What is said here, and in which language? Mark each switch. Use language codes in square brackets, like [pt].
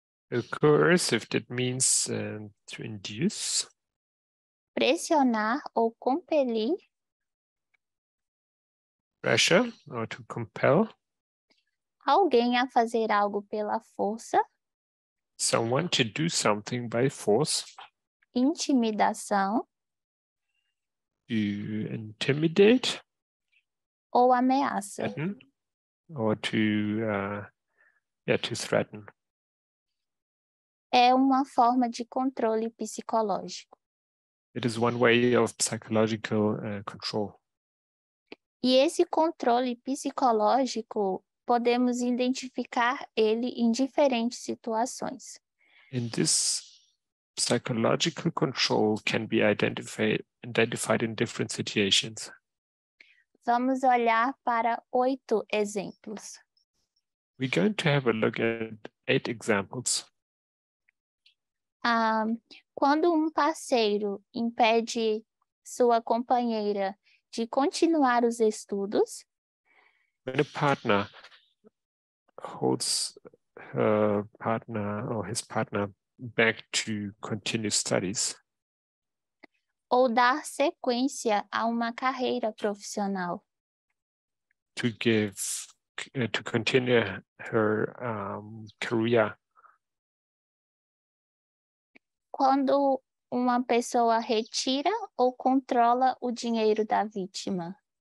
[en] A coercive, that means to induce. [pt] Pressionar ou compelir. [en] Pressure or to compel. [pt] Alguém a fazer algo pela força. [en] Someone to do something by force. [pt] Intimidação. [en] To intimidate. [pt] Ou ameaça. [en] Threaten, or to threaten. [pt] É uma forma de controle psicológico. [en] It is one way of psychological control. [pt] E esse controle psicológico, podemos identificar ele em diferentes situações. [en] And this psychological control can be identified in different situations. [pt] Vamos olhar para 8 exemplos. [en] We're going to have a look at 8 examples. [pt] Quando um parceiro impede sua companheira de continuar os estudos. [en] When a partner holds her partner or his partner back to continue studies. [pt] Ou dar sequência a uma carreira profissional. [en] To continue her career. [pt] Quando uma pessoa retira ou controla o dinheiro da vítima.